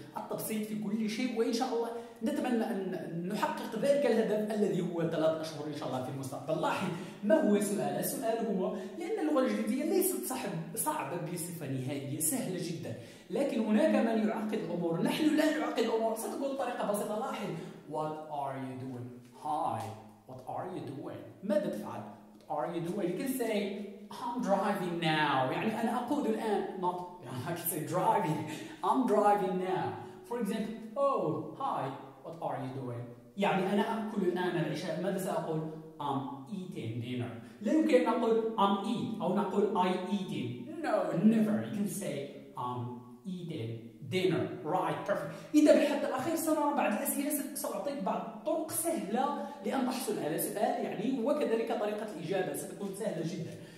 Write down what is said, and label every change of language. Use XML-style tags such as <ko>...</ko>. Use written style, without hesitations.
<ar>التبسيط في كل شيء. وإن شاء الله. نتمنى أن نحقق ذلك الهدف الذي هو 3 أشهر إن شاء الله في المستقبل لاحظ ما هو السؤال؟ السؤال هو لأن اللغة الإنجليزية ليست صعبة بصفة نهائية سهلة جدا لكن هناك من يعقد الأمور نحن لا نعقد الأمور ستكون طريقة بسيطة لاحظ</ar> <en>What are you doing? Hi What are you doing?</en> <ar>ماذا تفعل?</ar> <en>What are you doing? You can say I'm driving now</en> <ar>يعني أنا أقود الآن</ar> <en>not I can say driving I'm driving now For example, oh, hi, what are you doing?</en> <ar>يعني أنا أكل الآن العشاء. ماذا سأقول?</ar> <en>I'm eating dinner.</en> <ar>لا يمكن نقول</ar> <en>I'm eat</en> <ar>أو نقول</ar> <en>I eating. No, never. You can say I'm eating dinner. Right, perfect.</en> <ar>إذا بالحد الأخير سنرى بعض الأسئلة سأعطيك بعض طرق سهلة لأن تحصل على سؤال يعني وكذلك طريقة الإجابة ستكون سهلة جدا.</ar>